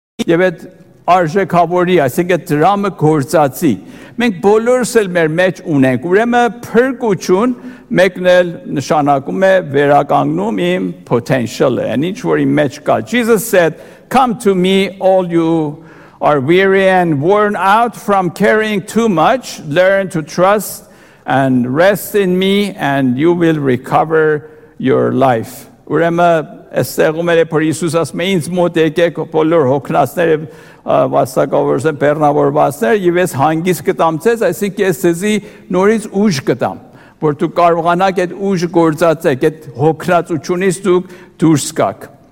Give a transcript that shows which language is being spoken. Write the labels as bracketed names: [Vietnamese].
[Armenian] եւ այդ արժեքավորի, այսինքն դրամը գործածի։ Մենք բոլորս էլ մեր մեջ ունենք, ուրեմն փրկություն մեկն էլ նշանակում է վերականգնում իմ potential-ը, այն ինչ որ իմ մեջ կա։ [English] Jesus said, Come to me, all you are weary and worn out from carrying too much. Learn to trust and rest in me, and you will recover your life. [Armenian] Ուրեմն այստեղում էլ է, որ Իսուս ասում է, ինձ մոտ եկեք բոլոր հոգնածները, վաստակավորս են բեռնավորվածներ, և ես հանգիստ կտամ ձեզ, այսինքն ես ձեզի նորից ուժ կտամ, որ դու կարողանաք այդ ուժ գործածեք, այդ հոգնածությունից դուք դուրս գաք։